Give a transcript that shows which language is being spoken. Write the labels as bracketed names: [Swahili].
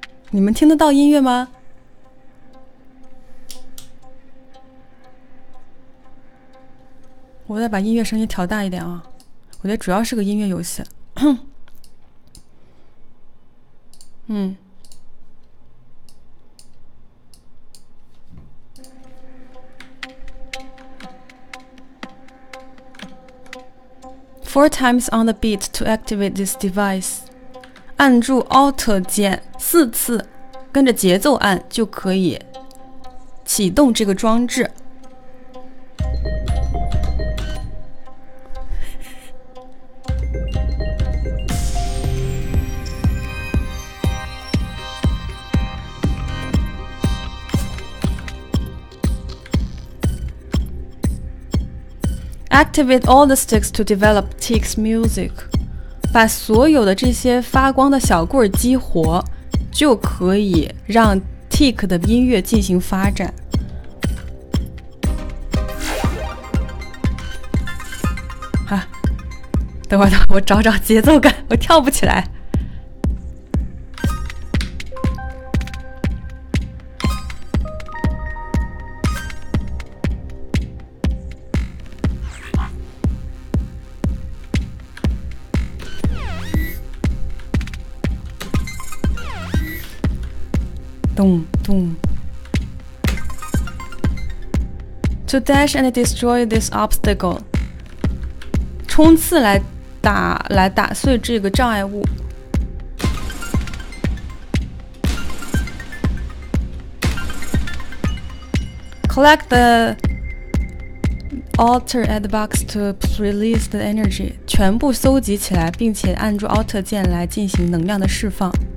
[Chinese] 你们听得到音乐吗？我再把音乐声音调大一点啊，我觉得主要是个音乐游戏。 [English] 嗯，Four times on the beat to activate this device. [Chinese] 按住 Alt 键四次，跟着节奏按就可以启动这个装置。 [English] Activate all the sticks to develop Tick's music. [Chinese] 把所有的这些发光的小棍激活，就可以让 Tick 的音乐进行发展。啊，等会儿，我找找节奏感，我跳不起来。 [English] To dash and destroy this obstacle. [Chinese] 冲刺来打碎这个障碍物。 [English] Collect the altar at the box to release the energy. [Chinese] 全部搜集起来，并且按住 Alt 键来进行能量的释放。